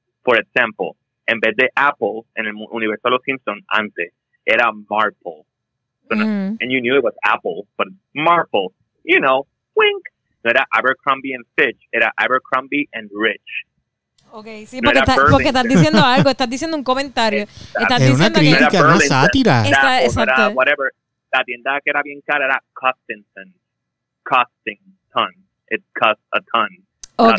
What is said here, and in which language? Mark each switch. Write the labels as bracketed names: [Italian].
[English] For example, [Spanish] en vez de Apple en el universo de los Simpsons antes, era Marple. [English] And you knew it was Apple, but Marple, you know, wink. [Spanish] No era Abercrombie and Fitch, era Abercrombie and Rich. Okay, sí, no, porque estás diciendo algo, estás diciendo un comentario. Es una crítica, no sátira. Exacto. [English] Whatever. [Spanish] La tienda que era bien cara era Costington. [English] Costington. It cost a ton. Ok.